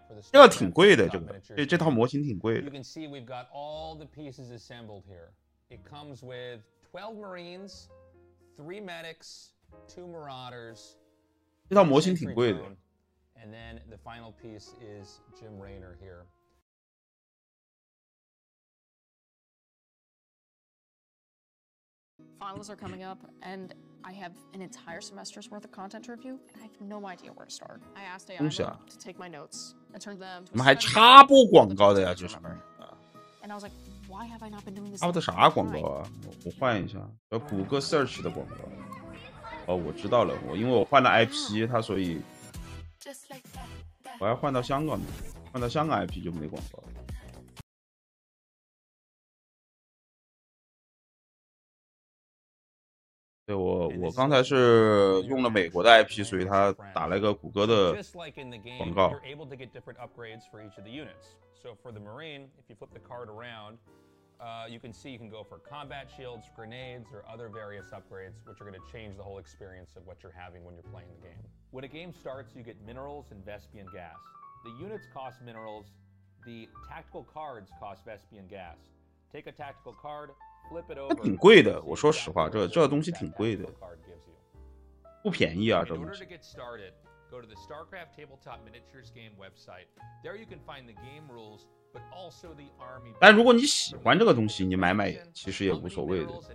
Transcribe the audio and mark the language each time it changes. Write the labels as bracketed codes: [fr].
[zh] 这个挺贵的，这套模型挺贵的。 [en] You can see we've got all the pieces assembled here. It comes with 12 Marines, 3 Medics, 2 Marauders. [zh] 这套模型挺贵的。 [en] And then the final piece is Jim Raynor here. Finals are coming up and. I have an entire semester's worth of content to review, and I have no idea where to start. I asked AI to take my notes and turn them. [zh] 怎么还插播广告的呀？这是什么？ [en] 啊 ！And I was like, why have I not been doing this? [zh] 插的啥广告啊？我换一下，谷歌 Search 的广告。哦，我知道了，因为我换了 IP， 它所以我要换到香港的，换到香港 IP 就没广告了。对我刚才是用了美国的 IP， 所以他打了一个谷歌的广告。 [en] You're able to get different upgrades for each of the units. So for the Marine, if you flip the card around, you can see you can go for combat shields, grenades, or other various upgrades, which are going to change the whole experience of what you're having when you're playing the game. When a game starts, you get minerals and Vespian gas. The units cost minerals. The tactical cards cost Vespian gas. Take a tactical card. [zh] 它挺贵的，我说实话，这东西挺贵的，不便宜啊，这东西。 [en] Go to the StarCraft Tabletop Miniatures Game website. There you can find the game rules, but also the army. [zh] 但如果你喜欢这个东西，你买其实也无所谓的。